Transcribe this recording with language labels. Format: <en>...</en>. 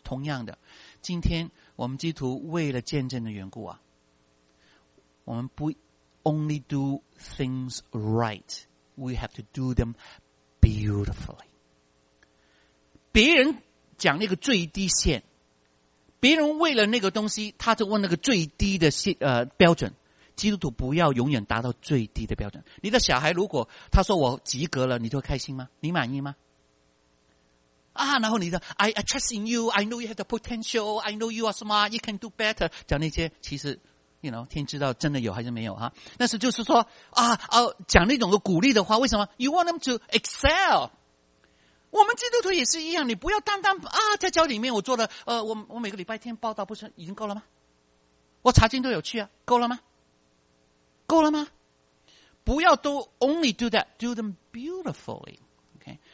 <zh>同样的，今天我们基督徒为了见证的缘故啊，我们不 only do things right， we have to do them beautifully。别人讲那个最低线，别人为了那个东西他就问那个最低的标准，基督徒不要永远达到最低的标准。你的小孩如果他说我及格了，你就开心吗？你满意吗？</zh> <en>啊，然后你的 I trust in you， I know you have the potential， I know you are smart， you can do better，讲那些其实你 you know，天知道真的有还是没有哈。</en> <zh>但是就是说讲那种的鼓励的话，为什么？ You want them to excel。我们基督徒也是一样，你不要单单在教里面我做的我每个礼拜天报道不是已经够了吗？我查经都有去啊，够了吗？够了吗？不要都 only do that， do them beautifully， OK。</zh>